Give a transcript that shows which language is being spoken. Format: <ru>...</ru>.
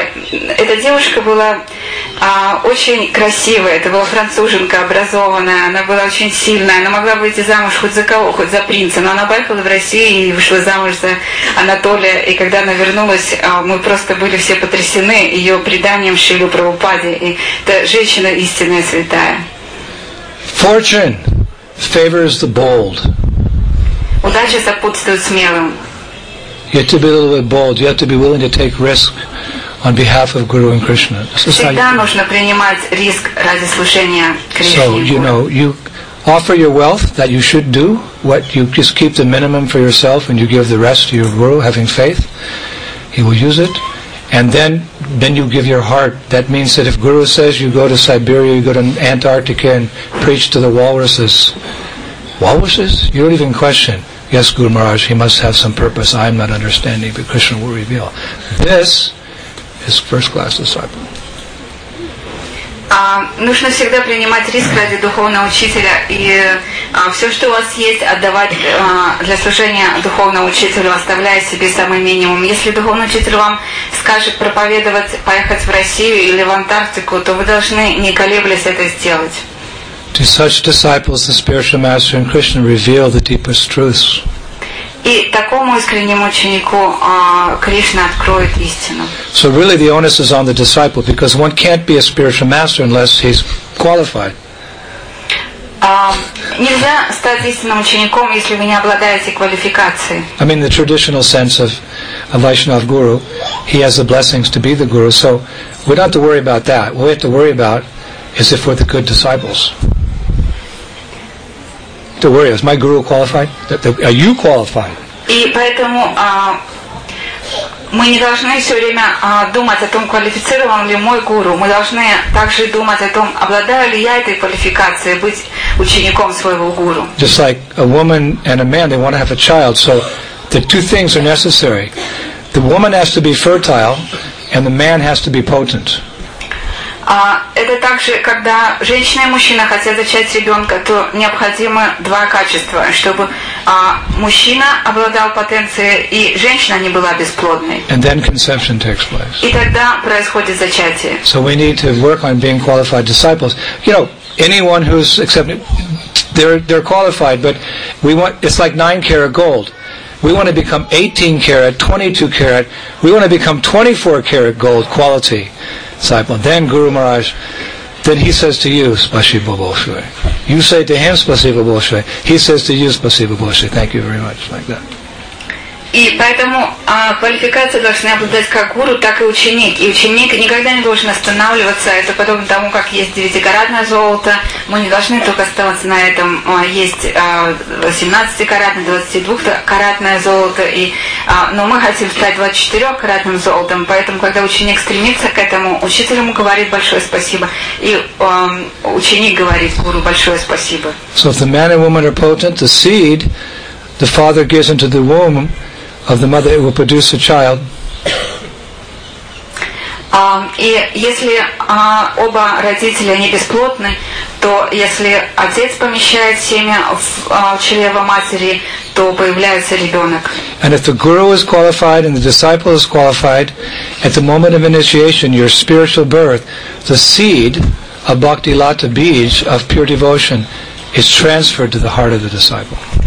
<ru>Эта девушка была очень красивая, это была француженка, образованная, она была очень сильная, она могла выйти замуж хоть за кого, хоть за принца, но она поехала в Россию и вышла замуж за Анатолия, и когда она вернулась, мы просто были все потрясены ее преданием Шриле Прабхупаде, и это женщина истинная святая.</ru> <en>Fortune favors the bold.</en> <ru>Удача сопутствует смелым.</ru> <en>You have to be a little bit bold, you have to be willing to take risk on behalf of Guru and Krishna.</en> <ru>Всегда нужно принимать риск ради служения Кришне.</ru> <en>So, you know, you offer your wealth that you should do, what you just keep the minimum for yourself and you give the rest to your guru, having faith, he will use it. And then you give your heart. That means that if Guru says you go to Siberia, you go to Antarctica and preach to the walruses. Walruses? You don't even question. Yes, Guru Maharaj, he must have some purpose. I am not understanding, but Krishna will reveal. This is first class disciple.</en> <ru>Нужно всегда принимать риск ради духовного учителя и все, что у вас есть, отдавать для служения духовному учителю, оставляя себе самый минимум. Если духовный учитель вам скажет проповедовать, поехать в Россию или в Антарктику, то вы должны, не колеблясь, это сделать.</ru> <en>To such disciples, the spiritual master and Krishna reveal the deepest truths.</en> <ru>И такому искреннему ученику Кришна откроет истину.</ru> <en>So really the onus is on the disciple, because one can't be a spiritual master unless he's qualified.</en> <ru>Нельзя стать истинным учеником, если вы не обладаете квалификацией.</ru> <en>I mean the traditional sense of a Vaishnav guru, he has the blessings to be the guru, so we don't have to worry about that. What we have to worry about is if we're the good disciples. Don't worry, is my guru qualified? Are you qualified?</en> <ru>И поэтому мы не должны все время думать о том, квалифицирован ли мой гуру. Мы должны также думать о том, обладаю ли я этой квалификацией быть учеником своего гуру.</ru> <en>Just like a woman and a man, they want to have a child. So the two things are necessary. The woman has to be fertile and the man has to be potent.</en> <ru>Это также, когда женщина и мужчина хотят зачать ребенка, то необходимы два качества, чтобы мужчина обладал потенцией и женщина не была бесплодной.</ru> <en>And then conception takes place.</en> <ru>И тогда происходит зачатие.</ru> <en>So we need to work on being qualified disciples. You know, anyone who's accepted, they're qualified, but we want, it's like 9-carat gold. We want to become 18-carat, 22-carat. We want to become 24-carat gold quality. Disciple. Then Guru Maharaj, then he says to you,</en> <ru>Spasibo Bolshoi.</ru> <en>You say to him,</en> <ru>Spasibo Bolshoi.</ru> <en>He says to you, Spasibo Bolshoi. Thank you very much. Like that.</en> <ru>И поэтому квалификация должна обладать как гуру, так и ученик. И ученик никогда не должен останавливаться. Это подобно тому, как есть 9-каратное золото. Мы не должны только оставаться на этом. Есть 18-каратное, 22-каратное золото. Но мы хотим стать 24-каратным золотом. Поэтому, когда ученик стремится к этому, учитель ему говорит большое спасибо. И ученик говорит гуру большое спасибо.</ru> <en>So if the man and woman are potent, the seed the father gives into the womb of the mother, it will produce a child.</en> <ru>И если оба родителя не бесплодны, то если отец помещает семя в чрево матери, то появляется ребенок.</ru> <en>And if the guru is qualified and the disciple is qualified, at the moment of initiation, your spiritual birth, the seed of bhakti lata bij of pure devotion is transferred to the heart of the disciple.</en>